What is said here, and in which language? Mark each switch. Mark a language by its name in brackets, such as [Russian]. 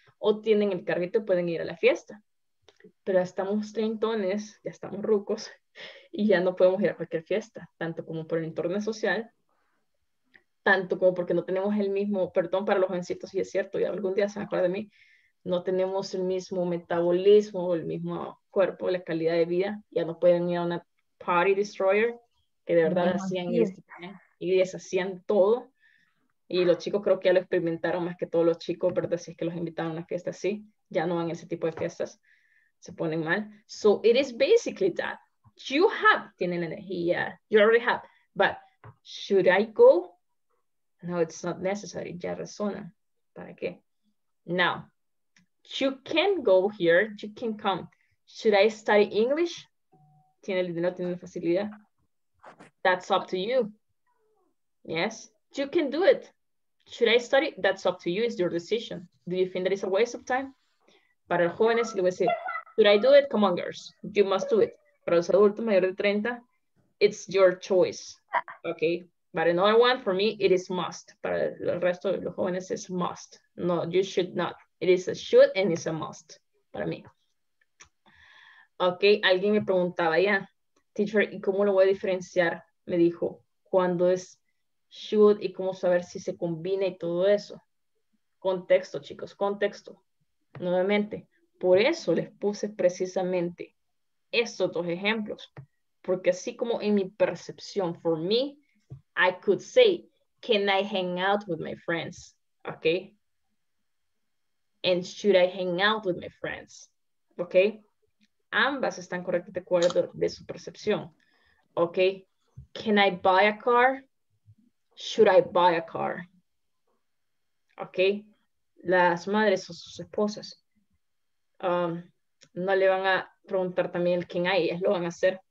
[Spanish] O tienen el carrito y pueden ir a la fiesta. Pero ya estamos treintones, ya estamos rucos, y ya no podemos ir a cualquier fiesta, tanto como por el entorno social, tanto como porque no tenemos el mismo, perdón para los jovencitos, y es cierto, y algún día se acuerda de mí, no tenemos el mismo metabolismo, el mismo cuerpo, la calidad de vida, ya no pueden ir a una party destroyer, que de verdad hacían y deshacían todo, y los chicos creo que ya lo experimentaron más que todos los chicos, ¿verdad? Si es que los invitaron a una fiesta así, ya no van a ese tipo de fiestas, se ponen mal. [English] So it is basically that you have, [Spanish] tienen energía, [English] you already have, but should I go? No, it's not necessary, [Spanish] ya resuena, ¿para qué? [English] Now, you can go here, you can come. Should I study English? [Spanish] Tiene el dinero, tiene la facilidad. [English] That's up to you. Yes, you can do it. Should I study? That's up to you, it's your decision. Do you think that it's a waste of time? [Spanish] Para los jóvenes, le voy a decir, [English] should I do it? Come on, girls, you must do it. [Spanish] Para los adultos mayores de 30, [English] it's your choice, okay? But another one, for me, it is must. [Spanish] Para el resto de los jóvenes, [English] it's must. No, you should not. It is a should and it's a must, [Spanish] para mí. Okay, alguien me preguntaba ya, teacher, ¿y cómo lo voy a diferenciar? Me dijo, ¿cuándo es should y cómo saber si se combina y todo eso? Contexto, chicos, contexto. Nuevamente, por eso les puse precisamente estos dos ejemplos. Porque así como en mi percepción, [English] for me, I could say, can I hang out with my friends? Okay. And should I hang out with my friends? Okay. [Spanish] Ambas están correctas de acuerdo de su percepción. [English] Okay. Can I buy a car? Should I buy a car? Okay. [Spanish] Las madres o sus esposas no le van a preguntar también quién hay, ellas lo van a hacer.